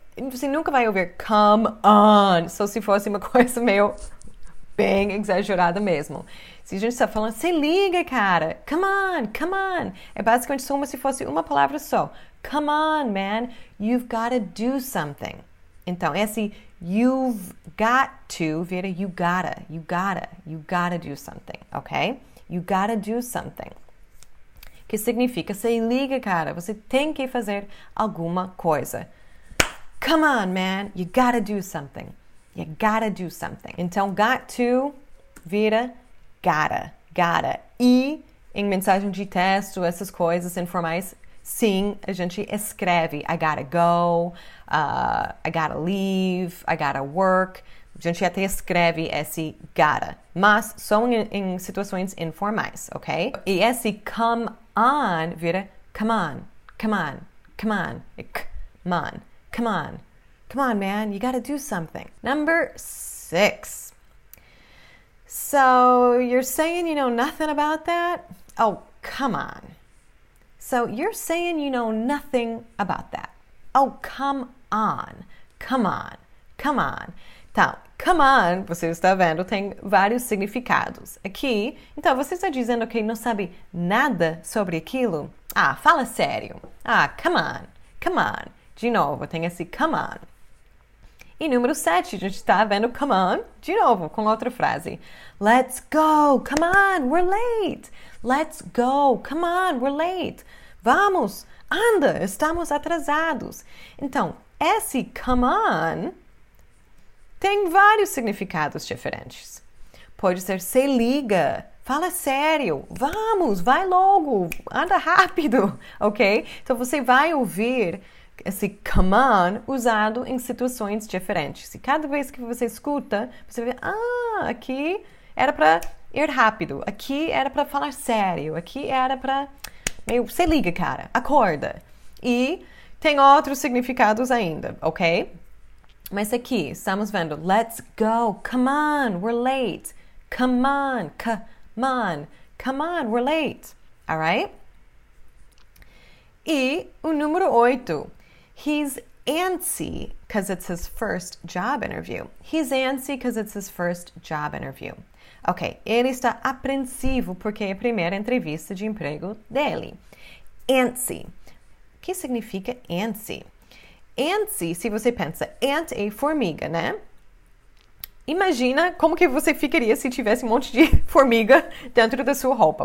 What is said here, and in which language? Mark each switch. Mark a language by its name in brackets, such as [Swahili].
[Portuguese] Você nunca vai ouvir [English] come on, [Portuguese] só se fosse uma coisa meio bem exagerada mesmo. Se a gente está falando, se liga, cara. [English] Come on, come on. [Portuguese] É basicamente como se fosse uma palavra só. [English] Come on, man. You've got to do something. [Portuguese] Então, esse [English] you've got to [Portuguese] vira [English] you gotta, you gotta, you gotta do something, ok? You gotta do something. [Portuguese] Que significa, se liga, cara. Você tem que fazer alguma coisa. [English] Come on, man. You gotta do something. You gotta do something. [Portuguese] Então, got to vira gotta, gotta. E em mensagem de texto, essas coisas informais, sim, a gente escreve. [English] I gotta go, I gotta leave, I gotta work. [Portuguese] A gente até escreve esse gotta, mas só em situações informais, ok? E esse [English] come on [Portuguese] vira [English] come on, come on, come on, come on, come on, come on, man, you gotta do something. Number six. So, you're saying you know nothing about that? Oh, come on. So, you're saying you know nothing about that? Oh, come on. Come on. Come on. [Portuguese] Então, [English] come on, [Portuguese] você está vendo, tem vários significados aqui. Então, você está dizendo que não sabe nada sobre aquilo? Ah, fala sério. Ah, [English] come on. Come on. [Portuguese] De novo, tem esse [English] come on. [Portuguese] E número 7, a gente está vendo [English] come on [Portuguese] de novo com outra frase. [English] Let's go, come on, we're late. Let's go, come on, we're late. [Portuguese] Vamos, anda, estamos atrasados. Então, esse [English] come on [Portuguese] tem vários significados diferentes. Pode ser se liga, fala sério, vamos, vai logo, anda rápido, ok? Então você vai ouvir esse [English] come on [Portuguese] usado em situações diferentes. E cada vez que você escuta, você vê, ah, aqui era para ir rápido, aqui era para falar sério, aqui era para meio, se liga, cara, acorda. E tem outros significados ainda, ok? Mas aqui estamos vendo, [English] let's go, come on, we're late. Come on, come on, we're late. All right? [Portuguese] E o número 8. [English] He's antsy because it's his first job interview. He's antsy because it's his first job interview. [Portuguese] Ok, ele está apreensivo porque é a primeira entrevista de emprego dele. Antsy. O que significa antsy? Antes, se você pensa ant e formiga, né? Imagina como que você ficaria se tivesse um monte de formiga dentro da sua roupa.